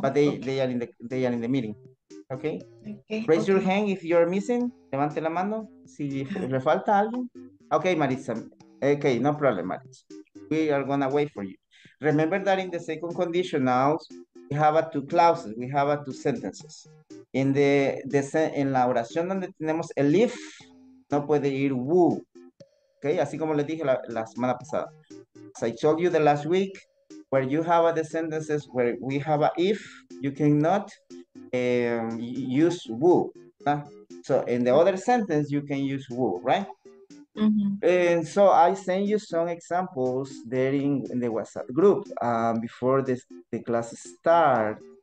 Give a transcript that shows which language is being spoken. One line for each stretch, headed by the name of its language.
English: but they are in the meeting. Okay. Okay. Raise your hand if you're missing.
Spanish: Levante la mano si le falta alguien.
English: Okay, Maritza. Okay, no problem, Maritza. We are gonna wait for you. Remember that in the second conditional, we have two clauses, we have two sentences.
Spanish: In la oración donde tenemos el if, no puede ir will. Okay, así como les dije la semana pasada.
English: As I told you the last week, where you have the sentences where we have if, you cannot use will. Huh? So in the other sentence, you can use will, right? Mm-hmm. And so I sent you some examples there in the WhatsApp group before the class started.